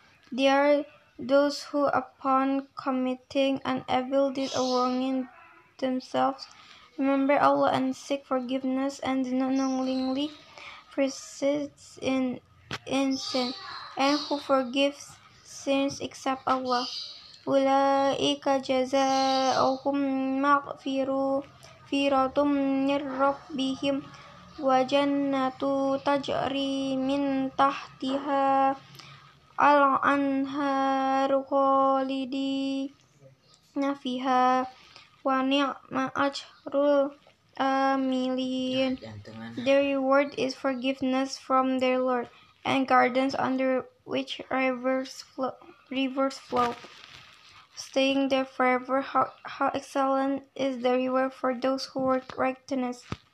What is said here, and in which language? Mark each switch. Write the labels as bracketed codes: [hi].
[en] There are those who, upon committing an evil deed or wronging themselves, remember Allah and seek forgiveness and do not knowingly persist in sin, and who forgives sins except Allah. [ar] أولئك جزاؤهم مغفرة من ربهم وجنة تجري من تحتها الأنهار خالدين فيها ونعم أجر العاملين. [en] Their reward is forgiveness from their Lord and gardens under which rivers flow. Staying there forever, how excellent is the reward for those who work righteousness.